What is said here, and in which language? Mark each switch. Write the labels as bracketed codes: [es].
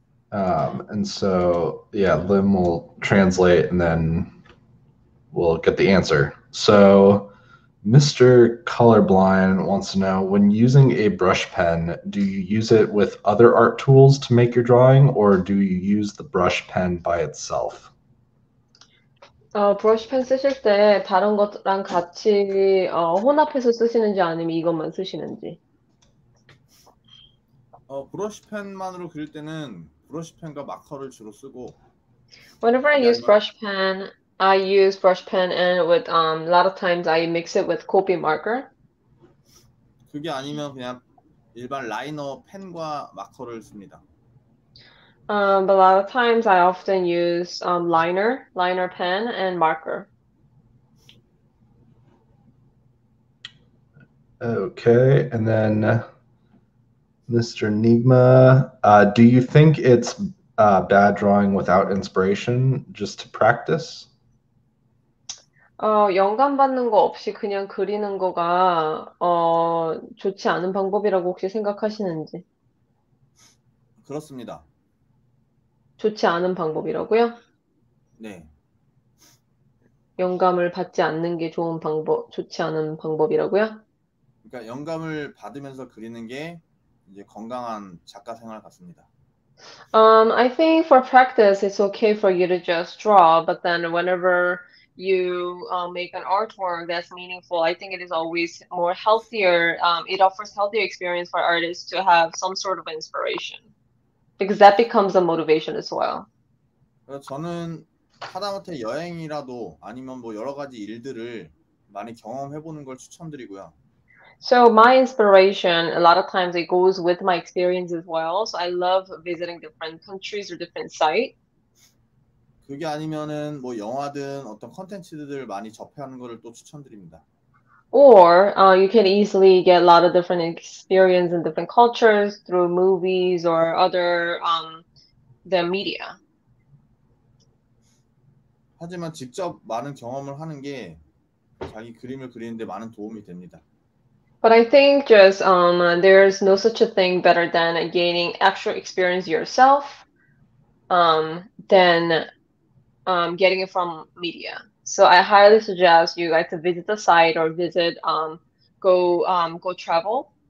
[en] And so, yeah, Lim will translate and then we'll get the answer. So Mr. Colorblind wants to know, when using a brush pen, do you use it with other art tools to make your drawing, or do you use the brush pen by itself? [ko] 브러쉬 펜 쓰실 때 다른 것랑 같이 혼합해서 쓰시는지 아니면 이것만 쓰시는지. 브러쉬 펜만으로 그릴 때는 브러쉬 펜과 마커를 주로 쓰고, [en] Whenever I [ko] 근데 [en] use [ko] 얼마 [en] brush pen, I use brush pen and with a lot of times I mix it with copy marker. [ko] 그게 아니면 그냥 일반 라이너 펜과 마커를 씁니다. [en] But a lot of times I often use liner pen and marker. Okay, and then Mr. Nigma, do you think it's bad drawing without inspiration just to practice? [ko] 영감 받는 거 없이 그냥 그리는 거가 좋지 않은 방법이라고 혹시 생각하시는지? 그렇습니다. 좋지 않은 방법이라고요? 네. 영감을 받지 않는 게 좋은 방법, 좋지 않은 방법이라고요? 그러니까 영감을 받으면서 그리는 게 이제 건강한 작가 생활 같습니다. [en] I think for practice, it's okay for you to just draw, but then whenever you make an artwork that's meaningful, I think it is always more healthier. It offers healthier experience for artists to have some sort of inspiration. Because that becomes a motivation as well. [ko] 저는 하다못해 여행이라도 아니면 뭐 여러 가지 일들을 많이 경험해보는 걸 추천드리고요. [en] So my inspiration, a lot of times it goes with my experience as well. So I love visiting different countries or different sites. [ko] 그게 아니면은 뭐 영화든 어떤 컨텐츠들을 많이 접해하는 거를 또 추천드립니다. [en] Or you can easily get a lot of different experience in different cultures through movies or other the media. [ko] 하지만 직접 많은 경험을 하는 게 자기 그림을 그리는 데 많은 도움이 됩니다. [en] But I think just there's no such a thing better than gaining actual experience yourself than getting it from media. So I highly suggest you guys to visit the site or visit go travel.